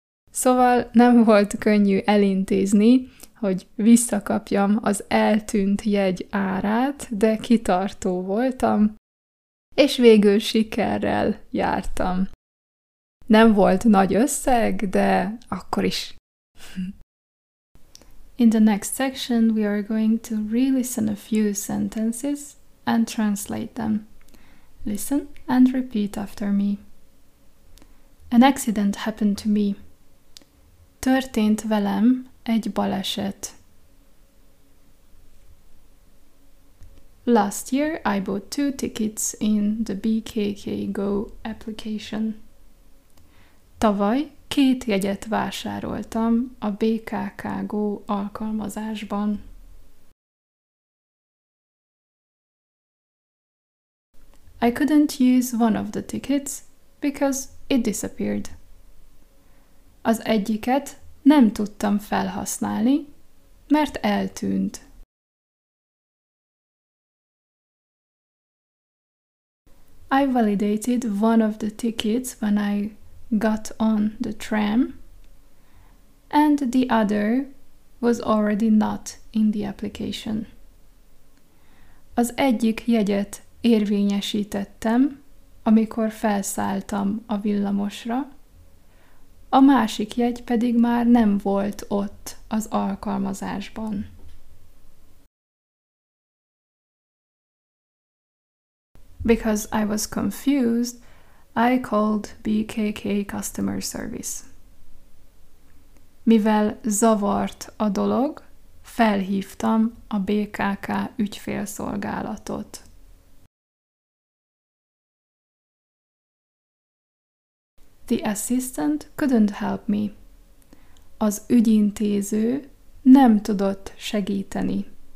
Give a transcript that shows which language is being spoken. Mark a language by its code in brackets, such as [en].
[hu] Szóval nem volt könnyű elintézni, hogy visszakapjam az eltűnt jegy árát, de kitartó voltam, és végül sikerrel jártam. Nem volt nagy összeg, de akkor is. [en] In the next section, we are going to re-listen a few sentences and translate them. Listen and repeat after me. An accident happened to me. [hu] Történt velem egy baleset. [en] Last year I bought 2 tickets in the BKK Go application. [hu] Tavaly 2 jegyet vásároltam a BKK Go alkalmazásban. [en] I couldn't use one of the tickets because it disappeared. [hu] Az egyiket nem tudtam felhasználni, mert eltűnt. [en] I I validated one of the tickets when I got on the tram, and the other was already not in the application. [hu] Az egyik jegyet érvényesítettem, amikor felszálltam a villamosra, a másik jegy pedig már nem volt ott az alkalmazásban. [en] Because I was confused, I called BKK Customer Service. [hu] Mivel zavart a dolog, felhívtam a BKK ügyfélszolgálatot. [en] The assistant couldn't help me. [hu] Az ügyintéző nem tudott segíteni.